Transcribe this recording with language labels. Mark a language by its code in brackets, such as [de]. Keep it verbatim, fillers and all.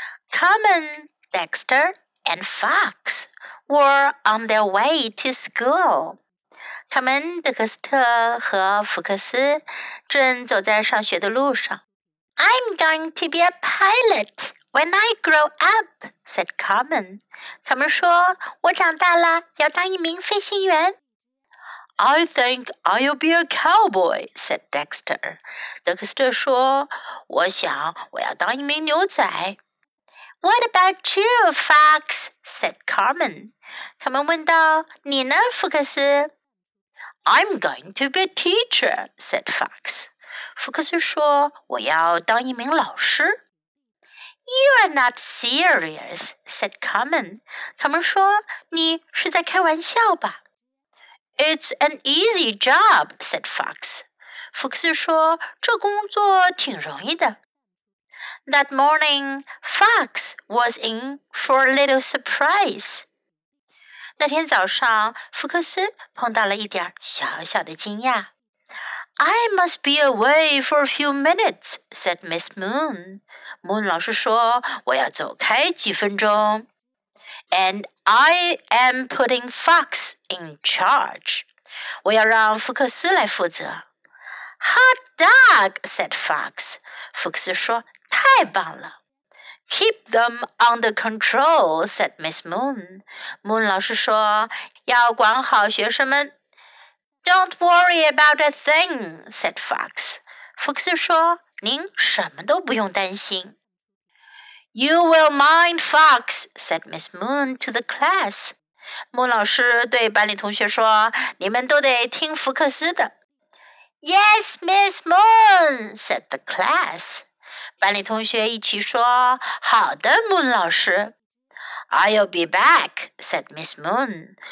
[en] Common, Dexter, and Fox were on their way to school. [zh] 他们德克斯特和福克斯正走在上学的路上。 [en] I'm going to be a pilot when I grow up, said Common. [zh] 他们说，我长大了要当一名飞行员。 [en] I think I'll be a cowboy, said Dexter. [zh] 德克斯特说，我想我要当一名牛仔。 [en] What about you, Fox? said Common. [zh] 他们问道，你呢，福克斯？ [en] I'm going to be a teacher, said Fox. [zh] 福克斯说，我要当一名老师。 [en] You are not serious, said Common. Common [zh] 说，你是在开玩笑吧？ [en] It's an easy job, said Fox. [zh] 福克斯说，这工作挺容易的。 [en] That morning, Fox was in for a little surprise. [zh] 那天早上，福克斯碰到了一点小小的惊讶。 [en] I must be away for a few minutes, said Miss Moon. [zh] Moon 老师说，我要走开几分钟。 [en] And I am putting Fox in charge. [zh] 我要让福克斯来负责。 [en] Hot dog, said Fox. [zh] 福克斯说，太棒了。 [en] Keep them under control, said Miss Moon. Moon [zh] 老师说，要管好学生们。 [en] Don't worry about a thing, said Fox. [zh] 福克斯说，您什么都不用担心。 [en] You will mind Fox, said Miss Moon to the class. [zh] Moon 老师对班里同学说，你们都得听福克斯的。 [en] Yes, Miss Moon, said the class. [zh] 班里同学一起说，好的 Moon 老师。 [en] I'll be back, said Miss Moon.